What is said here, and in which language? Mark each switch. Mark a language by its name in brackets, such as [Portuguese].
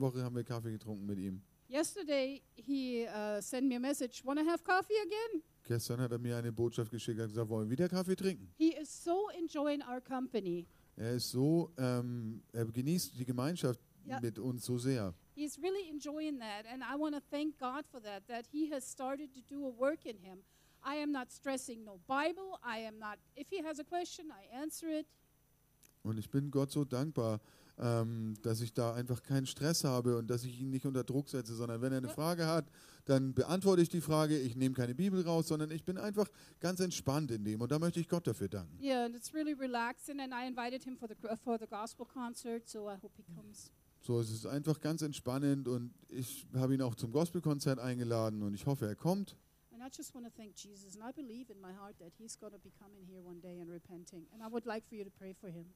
[German] Woche haben wir Kaffee getrunken mit ihm. [English] Yesterday he sent me a message, wanna have coffee again? [German] Gestern hat er mir eine Botschaft geschickt und gesagt, wollen wir wieder Kaffee trinken? [English] He is so enjoying our company. [German] Er ist so, er genießt die Gemeinschaft mit uns so sehr. [English] He's really enjoying that, and I want to thank God for that, that he has started to do a work in him. I am not stressing no Bible. I am not. If he has a question, I answer it. [German] Und ich bin Gott so dankbar, dass ich da einfach keinen Stress habe und dass ich ihn nicht unter Druck setze, sondern wenn er eine Frage hat, dann beantworte ich die Frage. Ich nehme keine Bibel raus, sondern ich bin einfach ganz entspannt in dem. Und da möchte ich Gott dafür danken. [English] Yeah, and it's really relaxing. And I invited him for the gospel concert, so I hope he comes. [German] So, es ist einfach ganz entspannend, und ich habe ihn auch zum Gospelkonzert eingeladen, und ich hoffe, er kommt. [English] And I just want to thank Jesus, and I believe in my heart that he's going to be coming here one day and repenting. And I would like for you to pray for him.